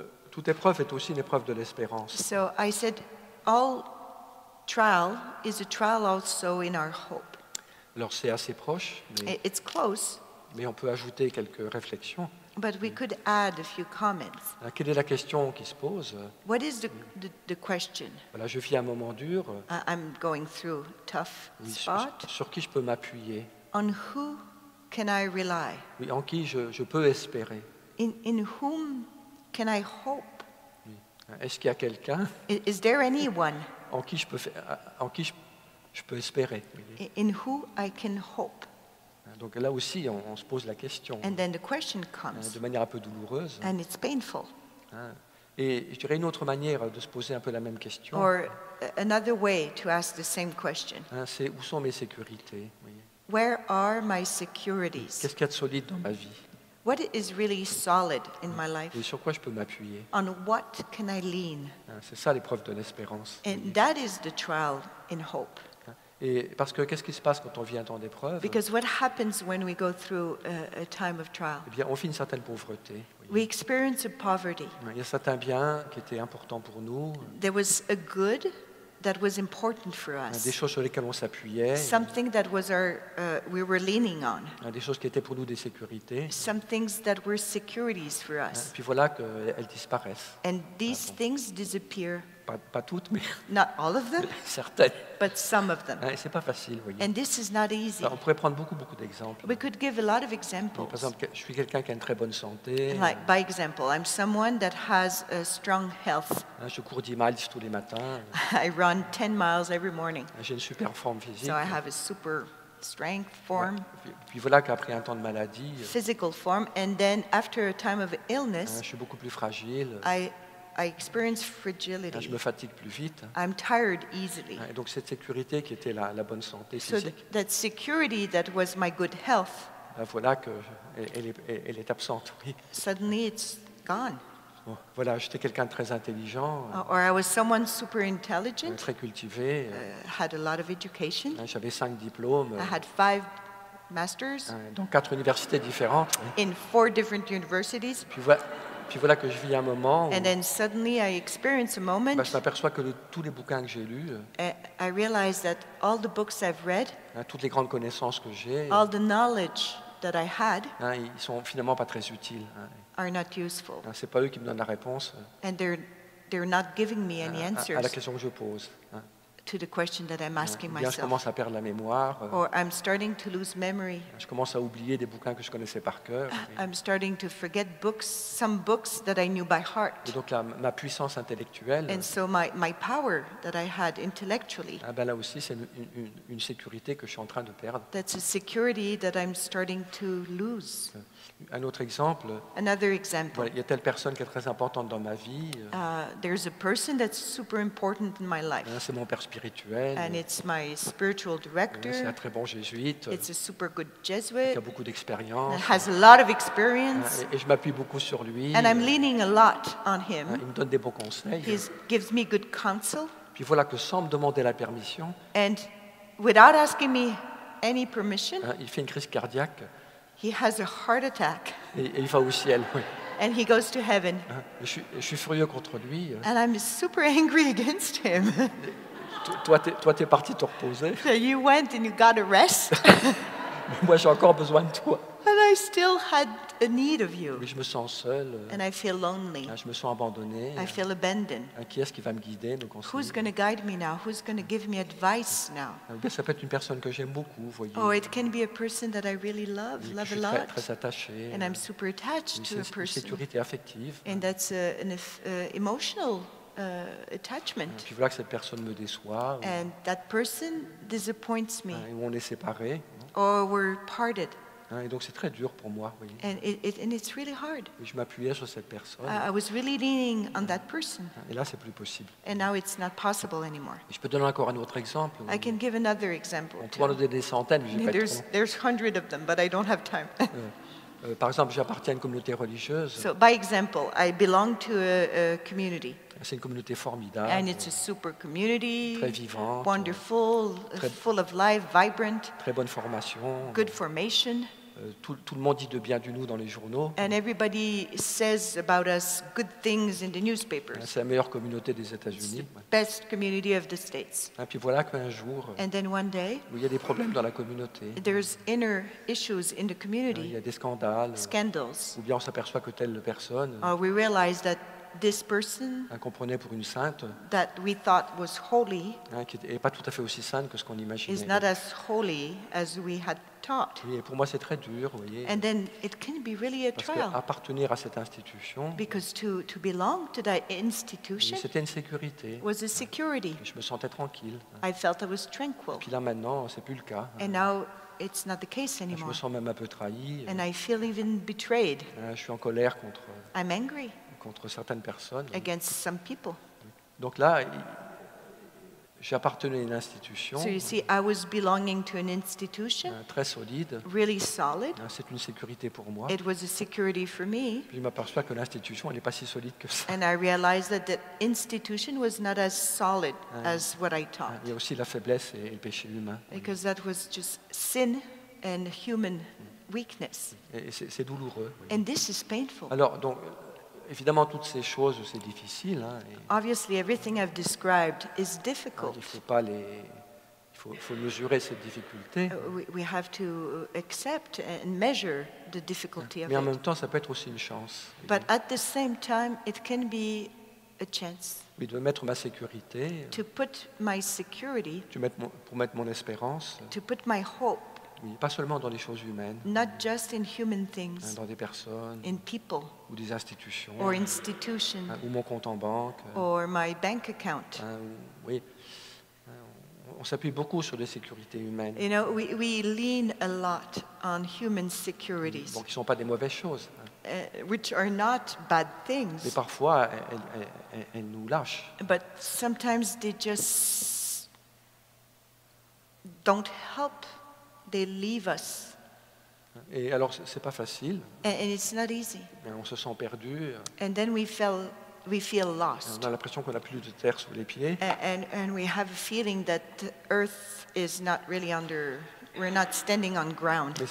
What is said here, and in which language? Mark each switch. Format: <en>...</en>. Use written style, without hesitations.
<fr>Toute épreuve est aussi une épreuve de l'espérance.</fr> <en>So I said, all trial is a trial also in our hope.</en> <fr>Alors c'est assez proche, mais</fr> <en>it's close.</en> <fr>Mais on peut ajouter quelques réflexions.</fr> <en>But we could add a few comments.</en> <fr>Quelle est la question qui se pose?</fr> <en>What is the question?</en> <fr>Voilà, je vis un moment dur.</fr> <en>I'm going through a tough spot.</en> <fr>Sur qui je peux m'appuyer?</fr> <en>On who can I rely?</en> <fr>Oui, en qui je peux espérer?</fr> <en>In whom can I hope?</en> <fr>Oui. Est-ce qu'il y a quelqu'un?</fr> <en>Is there anyone?</en> <fr>En qui je peux espérer?</fr> <en>In who I can hope?</en> <fr>Donc là aussi, on se pose la question,</fr> <en>and then the question comes,</en> <fr>de manière un peu douloureuse.</fr> <en>And it's painful.</en> <fr>Et je dirais une autre manière de se poser un peu la même question.</fr> <en>Or another way to ask the same question.</en> <fr>C'est où sont mes sécurités?</fr> <en>Where are my securities?</en> <fr>Qu'est-ce qu'il y a de solide dans ma vie?</fr> <en>What is really solid in my life?</en> <fr>Et sur quoi je peux m'appuyer?</fr> <en>On what can I lean?</en> <fr>C'est ça l'épreuve de l'espérance.</fr> <en>And that is the trial in hope.</en> <fr>Et parce que qu'est-ce qui se passe quand on vit un temps d'épreuve?</fr> <en>Because what happens when we go through a time of trial?</en> <fr>Eh bien, on vit une certaine pauvreté.</fr> <en>We experience a poverty.</en> <fr>Il y a certains biens qui étaient importants pour nous.</fr> <en>There was a good that was important for us.</en> <fr>Des choses sur lesquelles on s'appuyait.</fr> <en>Something that was our we were leaning on.</en> <fr>Des choses qui étaient pour nous des sécurités.</fr> <en>Some things that were securities for us.</en> <fr>Et puis voilà qu'elles disparaissent.</fr> <en>And these things disappear.</en> <fr>Pas toutes, mais</fr> <en>not all of them,</en> <fr>certaines.</fr> <en>But some of them.</en> <fr>Et c'est pas facile, vous voyez.</fr> <en>And this is not easy.</en> <fr>On pourrait prendre beaucoup d'exemples.</fr> <en>We could give a lot of examples.</en> <fr>Par exemple, je suis quelqu'un qui a une très bonne santé.</fr> <en>Like, by example, I'm someone that has a strong health.</en> <fr>Je cours 10 miles tous les matins.</fr> <en>I run 10 miles every morning.</en> <fr>J'ai une super forme physique.</fr> <en>So I have a super strength, form.</en> <fr>Puis voilà qu'après un temps de maladie.</fr> <en>Physical form, and then after a time of illness.</en> <fr>Je suis beaucoup plus fragile.</fr> <en>I experience fragility.</en> <fr>Je me fatigue plus vite.</fr> <en>I'm tired easily.</en> <fr>Et donc cette sécurité qui était la bonne santé physique.</fr> <en>So that security that was my good health.</en> <fr>Voilà que elle est absente. Oui.</fr> <en>Suddenly it's gone.</en> <fr>Bon, voilà, j'étais quelqu'un de très intelligent.</fr> <en>Or I was someone super intelligent.</en> <fr>Très cultivé.</fr> <en>Had a lot of education.</en> <fr>J'avais 5 diplômes.</fr> <en>I had 5 masters.</en> <fr>Dans 4 universités différentes.</fr> <en>In 4 different universities.</en> <fr>Puis voilà que je vis un moment où</fr> <en>and then suddenly I experience a moment,</en> <fr>je m'aperçois que tous les bouquins que j'ai lus,</fr> <en>I realize that all the books I've read,</en> <fr>toutes les grandes connaissances que j'ai,</fr> <en>all the knowledge that I had,</en> <fr>ils sont finalement pas très utiles.</fr> <en>Are not useful.</en> <fr>C'est pas eux qui me donnent la réponse.</fr> <en>And they're not giving me any answers.</en> <fr>À la question que je pose.</fr> <en>To the question that I'm asking myself.</en> <fr>Je commence à perdre la mémoire.</fr> <en>Or I'm starting to lose memory.</en> <fr>Je commence à oublier des bouquins que je connaissais par cœur.</fr> <en>I'm starting to forget books, some books that I knew by heart.</en> <fr>Et donc ma puissance intellectuelle.</fr> <en>And so my power that I had intellectually.</en> <fr>Ben là aussi c'est une sécurité que je suis en train de perdre.</fr> <en>That's a security that I'm starting to lose.</en> <fr>Un autre exemple.</fr> <en>Another example.</en> <fr>Voilà, il y a telle personne qui est très importante dans ma vie.</fr> <en>There's a person that's super important in my life.</en> <fr>C'est mon père spirituel.</fr> <en>And it's my spiritual director.</en> <fr>C'est un très bon jésuite.</fr> <en>It's a super good Jesuit.</en> <fr>Qui a beaucoup d'expérience.</fr> <en>Has a lot of experience.</en> <fr>Et je m'appuie beaucoup sur lui.</fr> <en>And I'm leaning a lot on him.</en> <fr>Il me donne des bons conseils.</fr> <en>He gives me good counsel.</en> <fr>Puis voilà que sans me demander la permission.</fr> <en>And without asking me any permission.</en> <fr>Il fait une crise cardiaque.</fr> <en>He has a heart attack.</en> <fr>Et il va au ciel, oui.</fr> <en>and he goes to heaven.</en> <fr>Je suis furieux contre lui.</fr> <en>And I'm super angry against him.</en> <fr>Toi, t'es parti te reposer.</fr> <en>So you went and you got a rest.</en> <fr>Moi, j'ai encore besoin de toi.</fr> <en>And I still had a need of you.</en> <fr>Mais je me sens seul.</fr> <en>And I feel lonely.</en> <fr>Je me sens abandonné.</fr> <en>I feel abandoned.</en> <fr>Qui est-ce qui va me guider, me conseiller?</fr> <en>Who's going to guide me now? Who's going to give me advice now?</en> <fr>Ça peut être une personne que j'aime beaucoup, voyez.</fr> <en>Oh, it can be a person that I really love a lot.</en> <fr>Je suis très attaché.</fr> <en>And I'm super attached to a person.</en> <fr>Une sécurité affective.</fr> <en>And that's an emotional attachment.</en> <fr>Puis voilà que cette personne me déçoit.</fr> <en>And that person disappoints me.</en> <fr>Et on est séparés.</fr> <en>Or we're parted.</en> <fr>Et donc c'est très dur pour moi. Voyez.</fr> <en>And it's really hard.</en> <fr>Je m'appuyais sur cette personne.</fr> <en>I was really leaning on that person.</en> <fr>Et là, c'est plus possible.</fr> <en>And now it's not possible anymore.</en> <fr>Et je peux donner encore un autre exemple.</fr> <en>I can give another example.</en> <fr>On pourrait en donner des centaines, mais j'ai pas trop.</fr> <en>There's hundreds of them, but I don't have time.</en> <fr>Par exemple, j'appartiens à une communauté religieuse.</fr> <en>So by example, I belong to a community.</en> <fr>C'est une communauté formidable.</fr> <en>And it's a super community.</en> <fr>Très vivante.</fr> <en>Wonderful, très, full of life, vibrant.</en> <fr>Très bonne formation.</fr> <en>Good formation.</en> <fr>Tout le monde dit de bien de nous dans les journaux.</fr> <en>And everybody says about us good things in the newspapers.</en> <fr>C'est la meilleure communauté des États-Unis.</fr> <en>It's the best community of the states.</en> <fr>Et puis voilà qu'un jour,</fr> <en>and then one day,</en> <fr>il y a des problèmes dans la communauté.</fr> <en>There's inner issues in the community.</en> <fr>Il y a des scandales.</fr> <en>Scandals.</en> <fr>Ou bien on s'aperçoit que telle personne.</fr> <en>Or we realize that this person,</en> <fr>comprenait pour une sainte,</fr> <en>that we thought was holy,</en> <fr>qui n'est pas tout à fait aussi sainte que ce qu'on imaginait,</fr> <en>is not as holy as we had thought.</en> <fr>Et pour moi, c'est très dur, vous voyez.</fr> <en>And then it can be really a trial.</en> <fr>Parce qu'appartenir à cette institution,</fr> <en>because to belong to that institution,</en> <fr>c'était une sécurité.</fr> <en>Was a security.</en> <fr>Je me sentais tranquille.</fr> <en>I felt I was tranquil.</en> <fr>Et puis là, maintenant, c'est plus le cas.</fr> <en>And now it's not the case anymore.</en> <fr>Je me sens même un peu trahi.</fr> <en>And I feel even betrayed.</en> <fr>Je suis en colère contre.</fr> <en>I'm angry.</en> <fr>Contre certaines personnes.</fr> <en>Against some people.</en> <fr>Donc là, j'appartenais à une institution.</fr> <en>So you see, I was belonging to an institution.</en> <fr>Très solide.</fr> <en>Really solid.</en> <fr>C'est une sécurité pour moi.</fr> <en>It was a security for me.</en> <fr>Puis je m'aperçois que l'institution, elle n'est pas si solide que ça.</fr> <en>And I realized that the institution was not as solid as what I thought.</en> <fr>Il y a aussi la faiblesse et le péché humain.</fr> <en>Because that was just sin and human weakness.</en> <fr>Et c'est douloureux. Oui.</fr> <en>And this is painful.</en> <fr>Alors donc. Évidemment, toutes ces choses, c'est difficile.</fr> <en>Obviously, everything I've described is difficult.</en> <fr>Il faut mesurer cette difficulté.</fr> <en>We have to accept and measure the difficulty of it.</en> <fr>Mais en même temps, ça peut être aussi une chance.</fr> <en>But at the same time, it can be a chance.</en> <fr>Mais de mettre ma sécurité.</fr> <en>To put my security.</en> <fr>Pour mettre mon espérance.</fr> <en>To put my hope.</en> <fr>Oui, pas seulement dans les choses humaines.</fr> <en>Not just in human things.</en> <fr>Dans des personnes.</fr> <en>In people.</en> <fr>Ou des institutions.</fr> <en>Or institutions.</en> <fr>Ou mon compte en banque.</fr> <en>Or my bank account.</en> <fr>Oui. On s'appuie beaucoup sur les sécurités humaines.</fr> <en>You know, we lean a lot on human securities.</en> <fr>Bon, qui ne sont pas des mauvaises choses.</fr> <en>Which are not bad things.</en> <fr>Mais parfois, elles nous lâchent.</fr> <en>But sometimes they just don't help. They leave us.</en> <fr>Et alors, c'est pas facile.</fr> <en>And it's not easy.</en> <fr>Et on se sent perdu.</fr> <en>And then we feel lost.</en> <fr>On a l'impression qu'on a plus de terre sous les pieds.</fr> <en>And we have a feeling that Earth is not really under. We're not standing on ground.</en>